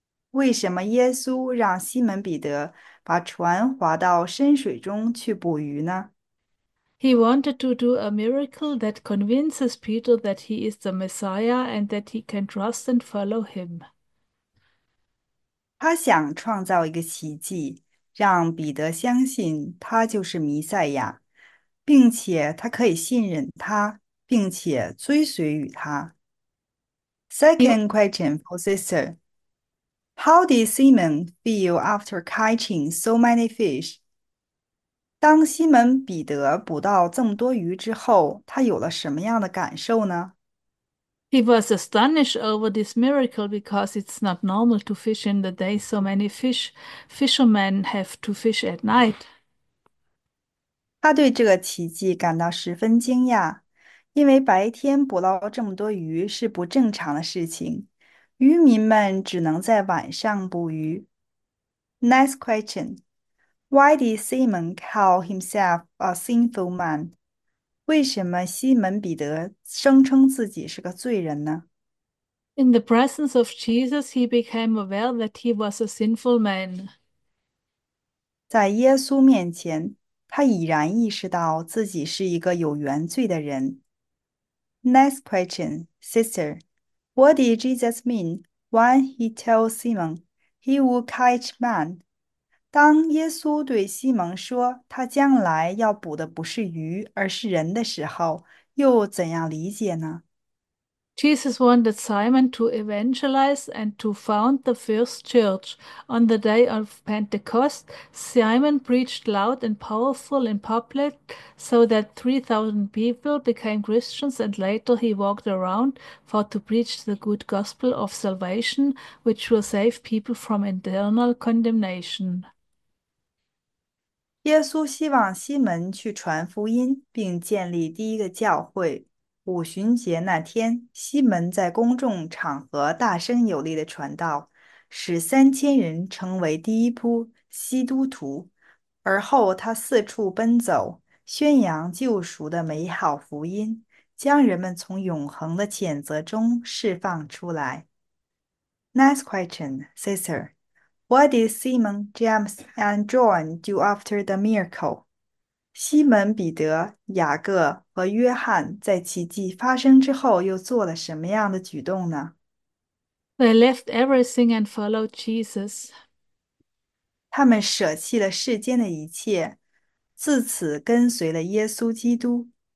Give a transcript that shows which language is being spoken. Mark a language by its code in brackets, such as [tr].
[zh] 为什么耶稣让西门彼得把船划到深水中去捕鱼呢？ [en] He wanted to do a miracle that convinces Peter that he is the Messiah and that he can trust and follow him. [zh] 他想创造一个奇迹，让彼得相信他就是弥赛亚，并且他可以信任他。并且追随于他。 [en] Second question for sister. How did Simon feel after catching so many fish? [zh] 当西门彼得捕到这么多鱼之后，他有了什么样的感受呢？ [en] He was astonished over this miracle because it's not normal to fish in the day. So many fishermen have to fish at night. [zh] 他对这个奇迹感到十分惊讶，因为白天捕捞这么多鱼是不正常的事情，渔民们只能在晚上捕鱼。 [en] Next question. Why did Simon call himself a sinful man? [zh] 为什么西门彼得声称自己是个罪人呢？ [en] In the presence of Jesus, he became aware that he was a sinful man. [zh] 在耶稣面前，他已然意识到自己是一个有原罪的人。 [en] Next question, sister. What did Jesus mean when he told Simon he would catch man? [zh] 当耶稣对西蒙说他将来要捕的不是鱼，而是人的时候，又怎样理解呢？ [en] Jesus wanted Simon to evangelize and to found the first church. On the day of Pentecost, Simon preached loud and powerful in public so that 3,000 people became Christians, and later he walked around for to preach the good gospel of salvation, which will save people from eternal condemnation. [zh] 耶稣希望西门去传福音，并建立第一个教会。五旬节那天，西门在公众场合大声有力地传道，使3000人成为第一波基督徒。而后，他四处奔走，宣扬救赎的美好福音，将人们从永恒的谴责中释放出来。 [en] Next question, sister. What did Simon, James, and John do after the miracle? [zh] 西门彼得、雅各和约翰在奇迹发生之后又做了什么样的举动呢？ [en] They left everything and followed Jesus. [zh] 他们舍弃了世间的一切，自此跟随了耶稣基督。